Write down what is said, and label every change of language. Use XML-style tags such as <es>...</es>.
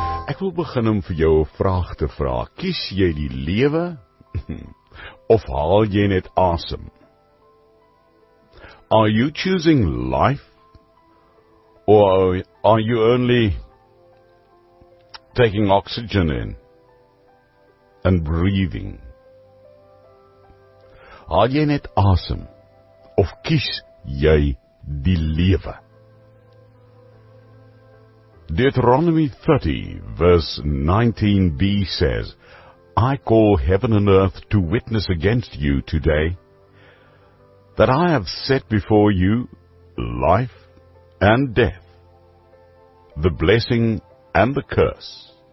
<af>Ek wil begin om vir jou 'n vraag te vra, kies jy die lewe, of haal jy net asem?</af> <en>Are you choosing life, or are you only taking oxygen in and breathing?</en> <af>Haal jy net asem, of kies jy die lewe?</af> <en>Deuteronomy 30, verse 19b says, I call heaven and earth to witness against you today, that I have set before you life and death, the blessing and the curse.</en>